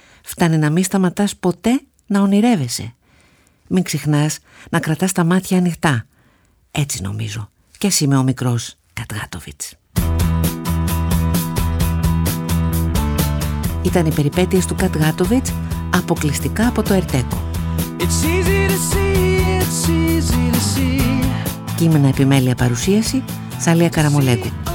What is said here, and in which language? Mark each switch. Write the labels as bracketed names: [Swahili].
[Greek] Φτάνει να μην σταματάς ποτέ να ονειρεύεσαι. Μην ξεχνάς να κρατάς τα μάτια ανοιχτά. Έτσι νομίζω. Και εσύ είμαι ο μικρός Κατγάτοβιτς. Ήταν οι περιπέτειες του Κατγάτοβιτς αποκλειστικά από το Ερτέκο. [English] It's easy to see, it's easy to see. [Greek] Κείμενα, επιμέλεια, παρουσίαση Σαλία Καραμολέγκου.